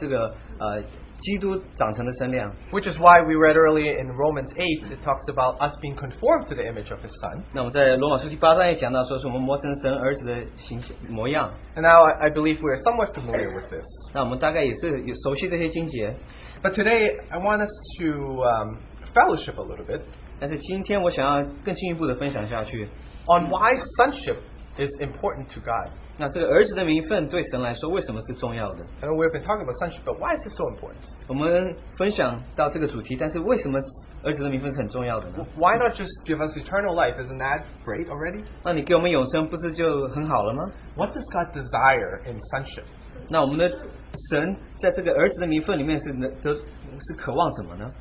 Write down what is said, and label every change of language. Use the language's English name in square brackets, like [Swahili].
[Chinese] 那在以弗所书第四章是讲到长到基督长成的身量， [English] which is why we read earlier in Romans 8, it talks about us being conformed to the image of His Son. [Chinese] 那我们在罗马书第八章也讲到说是我们磨成神儿子的形象模样。 [English] And now I believe we are somewhat familiar with this. [Chinese] 那我们大概也是熟悉这些经节。 [English] But today I want us to fellowship a little bit. [Chinese] 但是今天我想要更进一步的分享下去。 [English] On why sonship is important to God. [Chinese] 那这个儿子的名分对神来说为什么是重要的? [English] We've been talking about sonship, but why is it so important? [Chinese] 我们分享到这个主题, 但是为什么儿子的名分是很重要的呢? [English] Why not just give us eternal life? Isn't that great already? [Chinese] 那你给我们永生不是就很好了吗? [English] What does God desire in sonship? [Chinese] 那我们的神在这个儿子的名分里面是渴望什么呢?